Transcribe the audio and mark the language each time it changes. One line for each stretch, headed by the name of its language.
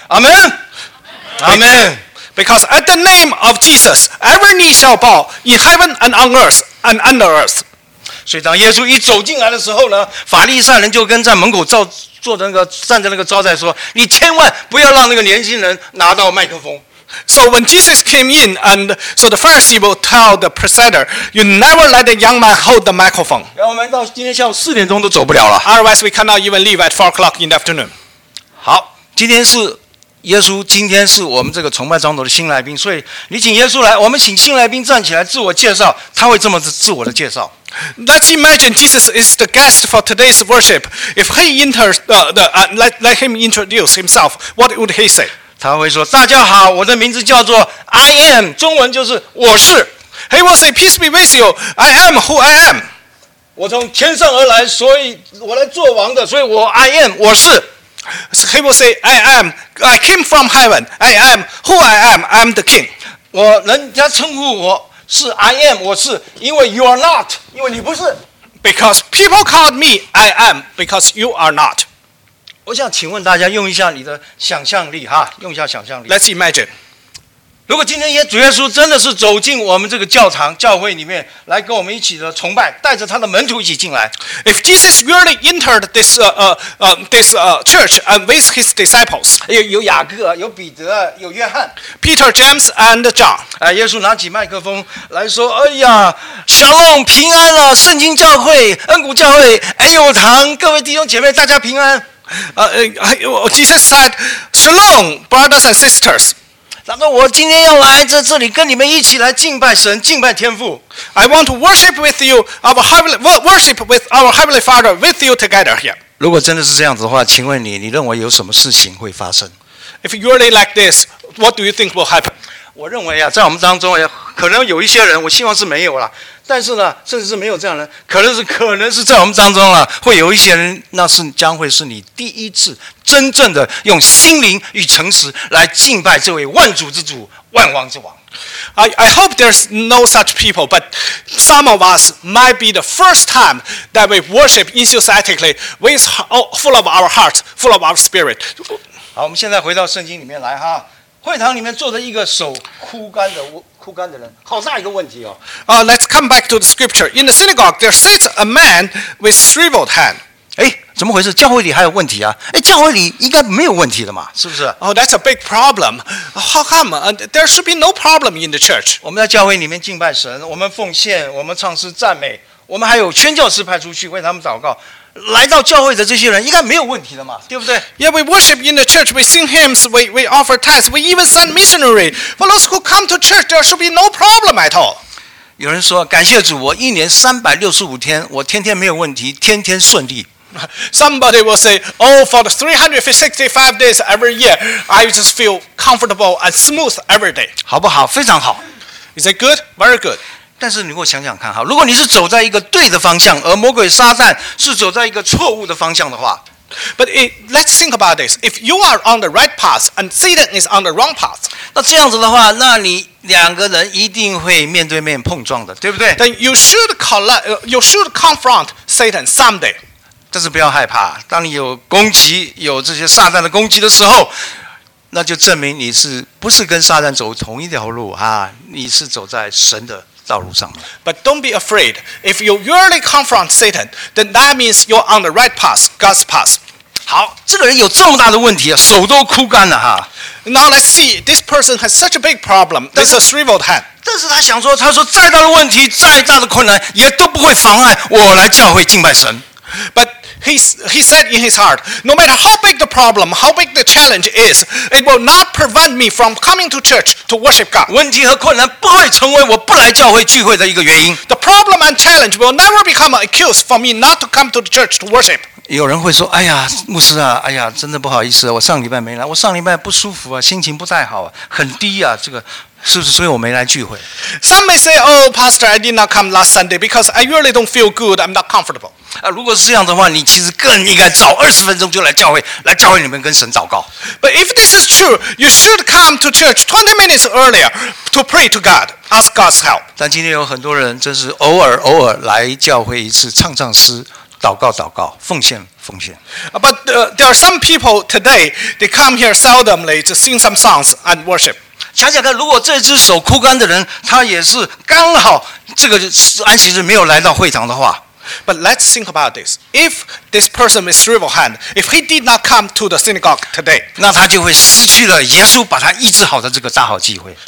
English: Amen. Amen. Because at the name of Jesus, every knee shall bow in heaven and on earth and under earth.
Chinese: 所以当耶稣一走进来的时候呢，法利赛人就跟在门口站在那个招待说，你千万不要让那个年轻人拿到麦克风。
English: So when Jesus came in, and so the Pharisee will tell the presider, you never let a young man hold the microphone. Otherwise, we cannot even leave at 4 o'clock in the afternoon.
Chinese: 好，今天是耶稣，今天是我们这个崇拜长老的新来宾，所以你请耶稣来，我们请新来宾站起来自我介绍，他会这么自我的介绍。
English: Let's imagine Jesus is the guest for today's worship. If he let him introduce himself, what would he say?
Chinese: 他会说：“大家好，我的名字叫做
English: I am，
Chinese: 中文就是我是。
English: ”He will say, "Peace be with you. I am who I am."
Chinese: 我从天上而来，所以我来做王的，所以我
English: I am，
Chinese: 我是。
English: He will say, "I am. I came from heaven. I am who I am. I am the king."
Chinese: 我人家称呼我是
English: I am，
Chinese: 我是，因为
English: you are not，
Chinese: 因为你不是。
English: Because people call me I am because you are not.
Chinese: 我想请问大家用一下你的想象力哈，用一下想象力。
English: Let's imagine，
Chinese: 如果今天主耶稣真的是走进我们这个教堂教会里面来跟我们一起的崇拜，带着他的门徒一起进来。
English: If Jesus really entered this church and with his disciples，
Chinese: 有雅各，有彼得，有约翰
English: ，Peter, James and John，
Chinese: 耶稣拿起麦克风来说：“哎呀，小龙平安了、啊，圣经教会、恩谷教会、恩友堂，各位弟兄姐妹，大家平安。”
English: Jesus said, "Shalom, brothers and sisters."
Chinese: 然后我今天要来在这里跟你们一起来敬拜神，敬拜天父。
English: I want to worship with you, worship with our heavenly Father with you together here.
Chinese: 如果真的是这样子的话，请问你认为有什么事情会发生
English: ？If you really like this, what do you think will happen?
Chinese: 我认为啊，在我们当中可能有一些人，我希望是没有了。但是呢，甚至是没有这样的人，可能是在我们当中了，会有一些人，那是将会是你第一次真正的用心灵与诚实来敬拜这位万主之主、万王之王。
English: I hope there's no such people, but some of us might be the first time that we worship enthusiastically with full of our hearts, full of our spirit.
Chinese: 好，我们现在回到圣经里面来哈。会堂里面坐着一个手枯干的人，好大一个问题哦。
English: Let's come back to the scripture. In the synagogue, there sits a man with shriveled hand.
Chinese: 哎，怎么回事？教会里还有问题啊？哎，教会里应该没有问题的嘛，是不是
English: ？Oh, that's a big problem. How come? There should be no problem in the church.
Chinese: 我们在教会里面敬拜神，我们奉献，我们唱诗赞美，我们还有宣教士派出去为他们祷告。来到教会的这些人应该没有问题的嘛，对不对？
English: Yeah, we worship in the church, we sing hymns, we offer tithes, we even send missionary. For those who come to church, there should be no problem at all.
Chinese: 有人说，感谢主，我一年365天，我天天没有问题，天天顺利。
English: Somebody will say, oh, for the 365 days every year, I just feel comfortable and smooth every day.
Chinese: 好不好？非常好。
English: Is it good? Very good.
Chinese: 但是你给我想想看，如果你是走在一个对的方向，而魔鬼撒旦是走在一个错误的方向的话。
English: But it, let's think about this. If you are on the right path and Satan is on the wrong path,
Chinese: 那这样子的话，那你两个人一定会面对面碰撞的，对不对？
English: Then you should collect, you should confront Satan someday.
Chinese: 但是不要害怕，当你有攻击，有这些撒旦的攻击的时候，那就证明你是不是跟撒旦走同一条路啊？你是走在神的道路上。
English: But don't be afraid. If you really confront Satan, then that means you're on the right path, God's path.
Chinese: 好，这个人有这么大的问题啊，手都枯干了哈。
English: Now let's see. This person has such a big problem. This is a shriveled hand.
Chinese: 但是他想说，他说再大的问题，再大的困难，也都不会妨碍我来教会敬拜神。
English: But he said in his heart, no matter how big the problem, how big the challenge is, it will not prevent me from coming to church to worship God.
Chinese: 问题和困难不会成为我不来教会聚会的一个原因。
English: The problem and challenge will never become an excuse for me not to come to the church to worship.
Chinese: 有人会说，哎呀，牧师啊，哎呀，真的不好意思，我上礼拜没来，我上礼拜不舒服啊，心情不太好啊，很低啊，这个。是不是所以我没来聚会？
English: Some may say, "Oh, Pastor, I did not come last Sunday because I really don't feel good. I'm not comfortable."
Chinese: 啊，如果是这样的话，你其实更应该早20分钟就来教会，来教会里面跟神祷告。
English: But if this is true, you should come to church 20 minutes earlier to pray to God, ask God's help.
Chinese: 但今天有很多人真是偶尔来教会一次，唱唱诗。祷告祷告奉献奉献。
English: But there are some people today, they come here seldomly to sing some songs and worship.
Chinese: 想想看，如果这只手枯干的人，他也是刚好这个安息日没有来到会堂的话。
English: But let's think about this. If this person is shriveled hand, if he did not come to the synagogue today,
Chinese: 那他就会失去了耶稣把他医治好的这个大好机会。